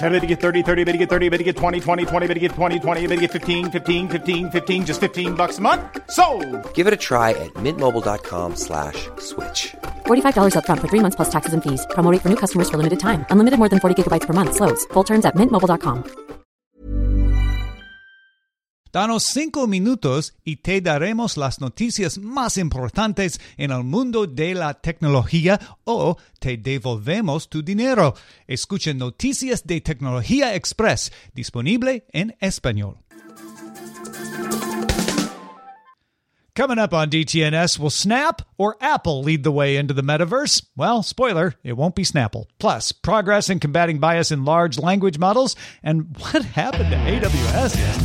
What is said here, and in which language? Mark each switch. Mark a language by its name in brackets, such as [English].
[English] How to get 30, 30, how to get 30, how to get 20, 20, 20, how to get 20, 20, how to get 15, 15, 15, 15, just $15 a month? Sold! Give it a try at mintmobile.com/switch. $45 up front for 3 months plus taxes and fees. Promo rate for new customers for limited time. Unlimited more than 40 gigabytes per month. Slows full terms at mintmobile.com. [Spanish] Danos 5 minutos y te daremos las noticias más importantes en el mundo de la tecnología o te devolvemos tu dinero. Escucha Noticias de Tecnología Express, disponible en español. [English] Coming up on DTNS, will Snap or Apple lead the way into the metaverse? Well, spoiler, it won't be Snapple. Plus, progress in combating bias in large language models, and what happened to AWS?